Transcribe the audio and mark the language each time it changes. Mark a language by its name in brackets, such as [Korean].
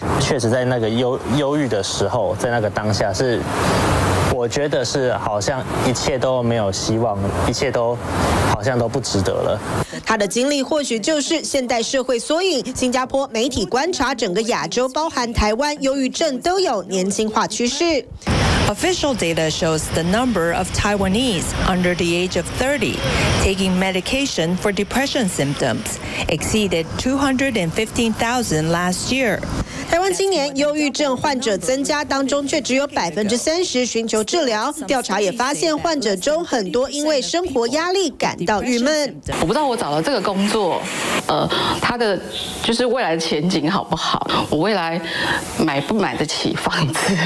[Chinese] 确实，在那个忧郁的时候，在那个当下是，我觉得是好像一切都没有希望，一切都好像都不值得了。他的经历或许就是现代社会缩影。新加坡媒体观察整个亚洲，包含台湾，忧郁症都有年轻化趋势。 [English] Official data shows the number of Taiwanese under the age of 30 taking medication for depression symptoms exceeded 215,000 last year. [Chinese] 台湾青年忧郁症患者增加，当中却只有30%寻求治疗。调查也发现，患者中很多因为生活压力感到郁闷。我不知道我找了这个工作，他的就是未来前景好不好？我未来买不买得起房子？